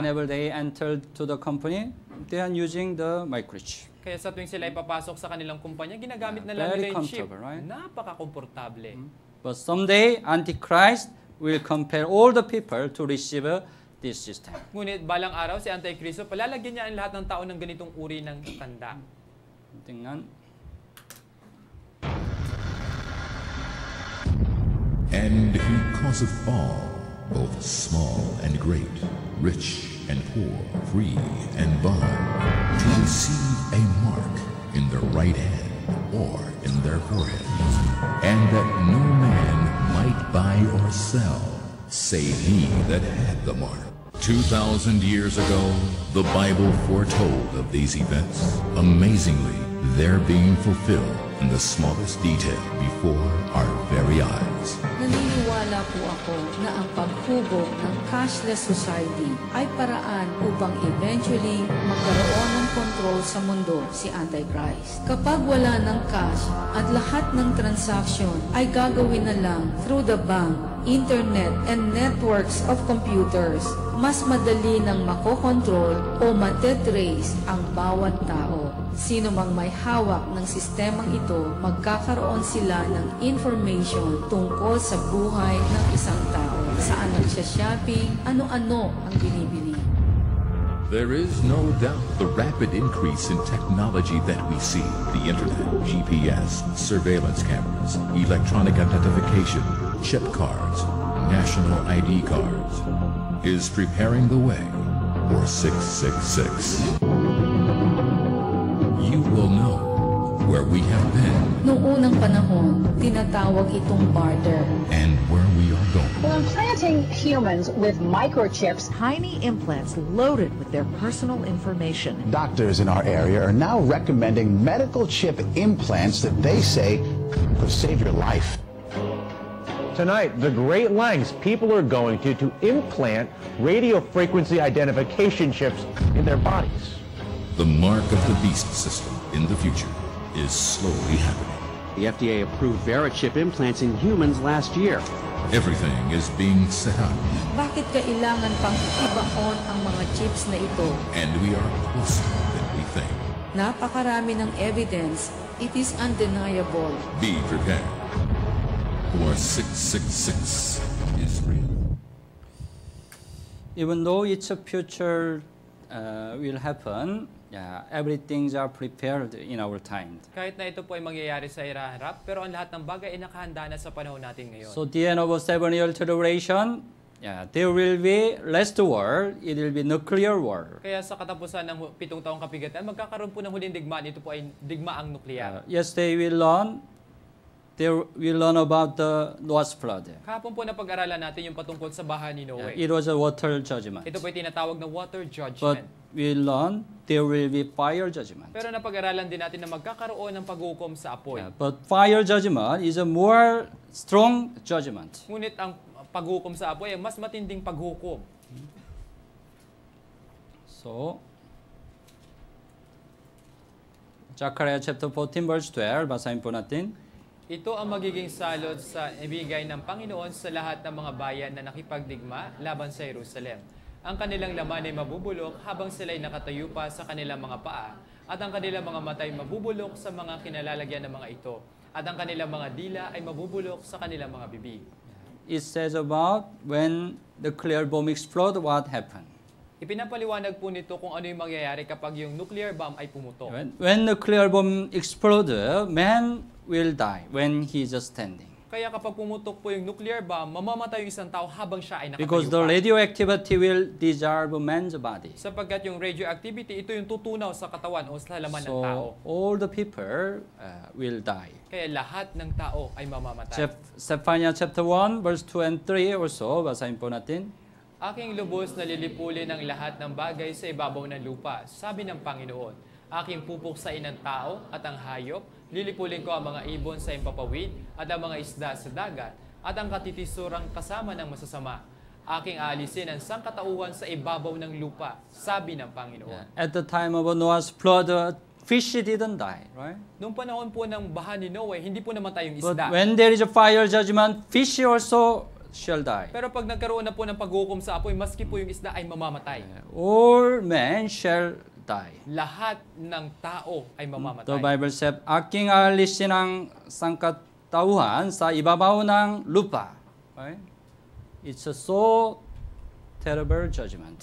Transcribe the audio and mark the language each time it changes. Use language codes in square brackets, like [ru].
[en] So whenever they entered to the company, they are using the microchip. [tl] Kaya sa tuwing sila ipapasok sa kanilang kumpanya, ginagamit na lang nila yung chip. [en] Right? [tl] Napaka-komportable. Mm-hmm. [en] But someday, Antichrist will compel all the people to receive this system. [tl] Ngunit balang araw, si Antichrist, palalagyan niya ang lahat ng tao ng ganitong uri ng tanda. Tingnan. [en] And he causeth all, both small and great, rich and poor, free and bond, to receive a mark in their right hand or in their forehead, and that no man might buy or sell, save he that had the mark. 2,000 years ago, the Bible foretold of these events. Amazingly, they're being fulfilled in the smallest detail before our very eyes. [tl] Naniniwala po ako na ang paghubog ng cashless society ay paraan upang eventually magkaroon ng control sa mundo si Antichrist. Kapag wala ng cash at lahat ng transaction ay gagawin na lang [en] through the bank, internet, and networks of computers, [tl] mas madali nang makokontrol o matetrace ang bawat tao. Sino mang may hawak ng sistemang ito, magkakaroon sila ng information tungkol sa buhay ng isang tao. Saan nagsha-shopping, ano-ano ang binibili. [en] There is no doubt the rapid increase in technology that we see. The internet, GPS, surveillance cameras, electronic identification, chip cards, national ID cards, is preparing the way for 666. You will know where we have been. [tl] Noong unang panahon, tinatawag itong barter. [en] And where we are going. We're implanting humans with microchips. Tiny implants loaded with their personal information. Doctors in our area are now recommending medical chip implants that they say could save your life. Tonight, the great lengths people are going to implant radio frequency identification chips in their bodies. The mark of the beast system in the future is slowly happening. The FDA approved VeriChip implants in humans last year. Everything is being set up. [tl] Bakit kailangan pang ibaon ang mga chips na ito? [en] And we are closer than we think. [tl] Napakarami ng evidence. [en] It is undeniable. Be prepared. For 666 is real. Even though it's a future will happen, yeah, everything is prepared in our time. [tl] Kahit na ito po ay mangyayari sa hirarap, pero ang lahat ng bagay ay nakahanda na sa panahon natin ngayon. [en] So the end of a 7-year tribulation, yeah, there will be less war, it will be nuclear war. [tl] Kaya sa katapusan ng 7 taong kapigatan, magkakaroon po ng huling digmaan, ito po ay digmaang nuklear. [en] Yesterday we learn about the Noah's flood. [tl] Kahapon po napag-aralan natin yung patungkol sa baha ni Noah. [en] It was a water judgment. [tl] Ito po ay tinatawag na water judgment. [en] But we learn there will be fire judgment. [tl] Pero napag-aralan din natin na magkakaroon ng paghukom sa apoy. Yeah, [en] but fire judgment is a more strong judgment. [tl] Ngunit ang paghukom sa apoy ay mas matinding paghukom. [en] So, Zechariah chapter 14 verse 12, [tl] basahin po natin. Ito ang magiging salot sa ibigay ng Panginoon sa lahat ng mga bayan na nakipagdigma laban sa Jerusalem. Ang kanilang laman ay mabubulok habang sila'y nakatayo pa sa kanilang mga paa, at ang kanilang mga mata ay mabubulok sa mga kinalalagyan ng mga ito, at ang kanilang mga dila ay mabubulok sa kanilang mga bibig. [en] It says about when the nuclear bomb explodes, what happened? [tl] Ipinapaliwanag po nito kung ano yung mangyayari kapag yung nuclear bomb ay pumutok. [en] When the nuclear bomb explodes, man will die when he is standing. [tl] Kaya kapag pumutok po yung nuclear bomb, mamamatay yung isang tao habang siya ay nakatayo. [en] Because the radioactivity will dissolve man's body. [tl] Sapagkat yung radioactivity, ito yung tutunaw sa katawan o sa halaman ng tao. [en] So, all the people will die. [tl] Kaya lahat ng tao ay mamamatay. [en] Zephaniah chapter 1, verse 2 and 3 or so, [tl] basahin po natin. Aking lubos na lilipulin ang lahat ng bagay sa ibabaw ng lupa, sabi ng Panginoon. Aking pupuksain ang tao at ang hayop, lilipulin ko ang mga ibon sa impapawid at ang mga isda sa dagat at ang katitisurang kasama ng masasama. Aking alisin ang sangkatauhan sa ibabaw ng lupa, sabi ng Panginoon. Yeah. [en] At the time of Noah's flood, fish didn't die, right? [tl] Noong panahon po ng baha ni Noah, hindi po namatay yung isda. [en] But when there is a fire judgment, fish also shall die. [tl] Pero pag nagkaroon na po ng paghukom sa apoy, maski po yung isda ay mamamatay. [en] All men shall die. [tl] Lahat ng tao ay mamamatay. [en] The Bible said, [tl] aking alisin ang sangkatauhan sa ibabaw ng lupa. [en] Right? It's a so terrible judgment.